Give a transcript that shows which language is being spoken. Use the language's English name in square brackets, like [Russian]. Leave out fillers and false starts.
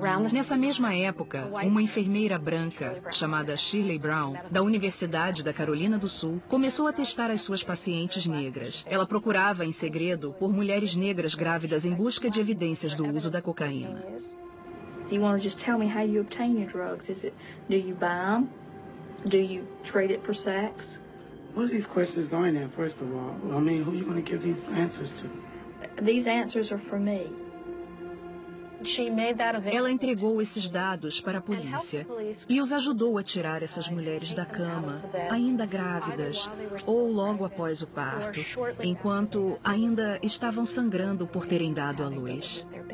[Portuguese] Nessa mesma época, uma enfermeira branca, chamada Shirley Brown, da Universidade da Carolina do Sul, começou a testar as suas pacientes negras. Ela procurava, em segredo, por mulheres negras grávidas em busca de evidências do uso da cocaína. [English] You want to just tell me how you obtain your drugs? Is it, do you buy them? Do you trade it for sex? What are these questions going at, first of all? I mean, who are you going to give these answers to? These answers are for me. [Portuguese] Ela entregou esses dados para a polícia e os ajudou a tirar essas mulheres da cama, ainda grávidas, ou logo após o parto, enquanto ainda estavam sangrando por terem dado à luz.